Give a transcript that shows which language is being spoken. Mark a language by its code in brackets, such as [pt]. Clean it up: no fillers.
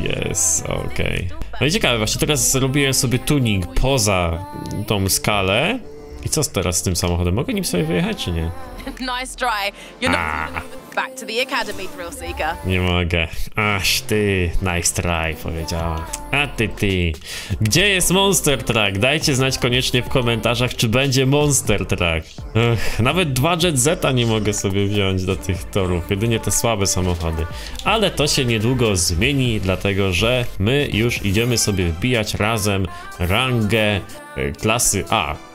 [pl] Yes, okej. No i ciekawe, właśnie teraz zrobiłem sobie tuning poza tą skalę. I co teraz z tym samochodem? Mogę nim sobie wyjechać, czy nie? [en] Nice try. You're not back to the academy, thrill seeker. [pl] Nie mogę. Aż ty, [en] nice try, [pl] powiedziała. A ty. Gdzie jest Monster Truck? Dajcie znać koniecznie w komentarzach, czy będzie Monster Truck. Nawet dwa Jet Zeta nie mogę sobie wziąć do tych torów. Jedynie te słabe samochody. Ale to się niedługo zmieni, dlatego że my już idziemy sobie wbijać razem rangę klasy A.